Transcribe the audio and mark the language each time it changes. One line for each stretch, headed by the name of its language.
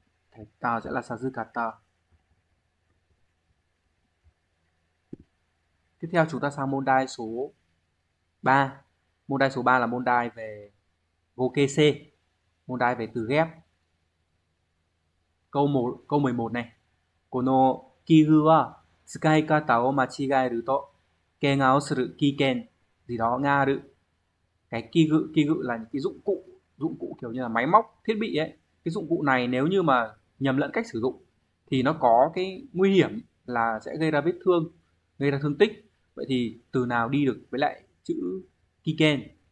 Vietnamese: Thầy ta sẽ là Sazukata. Tiếp theo chúng ta sang môn đai số 3. Môn đai số 3 là môn đai về gô kê xê, môn đai về từ ghép. Câu 1, câu 11 này.
Japanese: この器具は使い方を間違えると怪我をする危険事象がある。
Vietnamese: Cái器具là những cái dụng cụ kiểu như là máy móc, thiết bị ấy. Cái dụng cụ này nếu như mà nhầm lẫn cách sử dụng thì nó có cái nguy hiểm là sẽ gây ra vết thương, gây ra thương tích. Vậy thì từ nào đi được với lại chữ kiken?